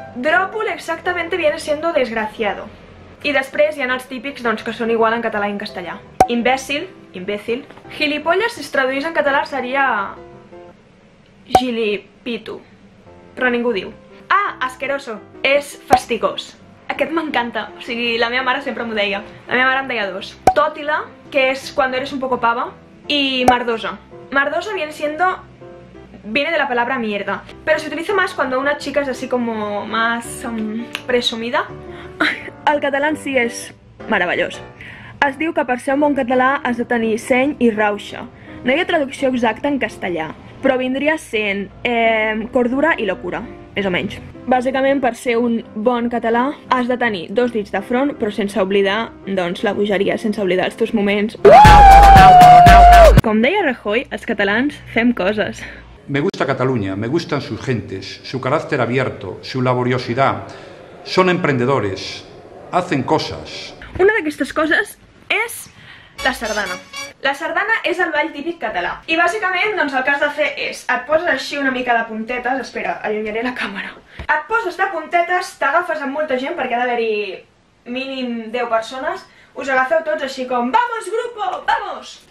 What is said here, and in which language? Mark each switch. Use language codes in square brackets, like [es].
[es] Dròpol exactamente viene siendo desgraciado. [ca] I després hi ha els típics, doncs, que són igual en català i en castellà. Imbècil, imbècil. Gilipolles, si es traduís en català, seria... Gilipitu. Però ningú diu. Ah, asqueroso. És fastigós. Aquest m'encanta. O sigui, la meva mare sempre m'ho deia. La meva mare em deia dos. Tòtila. [es] Que es cuando eres un poco pava, y mardosa. Mardosa viene siendo... viene de la palabra mierda. Pero se utiliza más cuando una chica es así como más presumida. [ca] El català en sí és meravellós. Es diu que per ser un bon català has de tenir seny i rauxa. No hi ha traducció exacta en castellà, però vindria sent cordura i locura, més o menys. Bàsicament, per ser un bon català, has de tenir dos dits de front, però sense oblidar, doncs, la bogeria, sense oblidar els teus moments. Com deia Rajoy, els catalans fem coses. [es] Me gusta Cataluña, me gustan sus gentes, su carácter abierto, su laboriosidad. Son emprendedores, hacen cosas. [ca] Una d'aquestes coses és la sardana. La sardana és el ball típic català. I bàsicament, doncs, el que has de fer és, et poses així una mica de puntetes, espera, allunyaré la càmera. Et poses de puntetes, t'agafes amb molta gent, perquè ha d'haver-hi mínim 10 persones, us agafeu tots així com, [es] vamos grupo, vamos!